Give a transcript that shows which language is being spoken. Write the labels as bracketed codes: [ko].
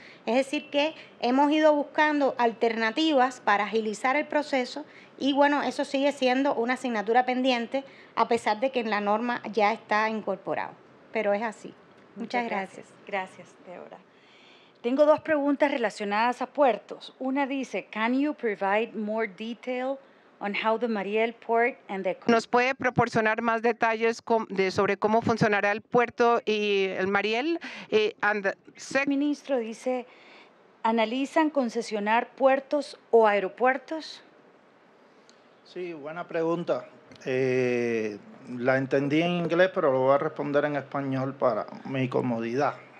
[es] Es decir, que hemos ido buscando alternativas para agilizar el proceso y, bueno, eso sigue siendo una asignatura pendiente, a pesar de que en la norma ya está incorporado. Pero es así. Muchas gracias. Gracias, Débora. Tengo dos preguntas relacionadas a puertos. Una dice, [en] can you provide more detail on how the Mariel port and the... [es] ¿Nos puede proporcionar más detalles sobre cómo funcionará el puerto y el Mariel? El ministro dice, ¿analizan concesionar puertos o aeropuertos? Sí, buena pregunta. La entendí en inglés, pero lo voy a responder en español para mi comodidad.